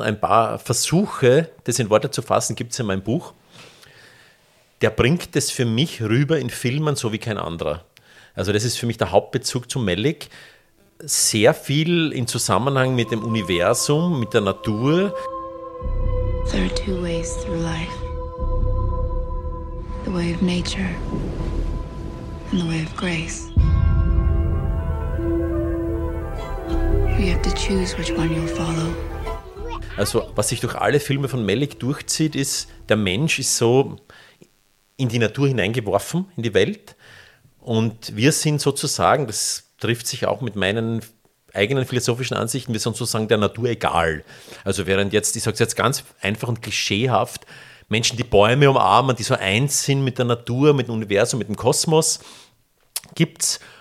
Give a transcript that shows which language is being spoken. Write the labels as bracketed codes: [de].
[de] Ein paar Versuche, das in Worte zu fassen, gibt es in meinem Buch. Der bringt das für mich rüber in Filmen so wie kein anderer. Also das ist für mich der Hauptbezug zu Malick. Sehr viel in Zusammenhang mit dem Universum, mit der Natur. [en] There are two ways through life. The way of nature and the way of grace. You have to choose which one you'll follow. [de] Also, was sich durch alle Filme von Malick durchzieht, ist, der Mensch ist so in die Natur hineingeworfen, in die Welt. Und wir sind sozusagen, das trifft sich auch mit meinen eigenen philosophischen Ansichten, wir sind sozusagen der Natur egal. Also während jetzt, ich sage es jetzt ganz einfach und klischeehaft, Menschen, die Bäume umarmen, die so eins sind mit der Natur, mit dem Universum, mit dem Kosmos, gibt's.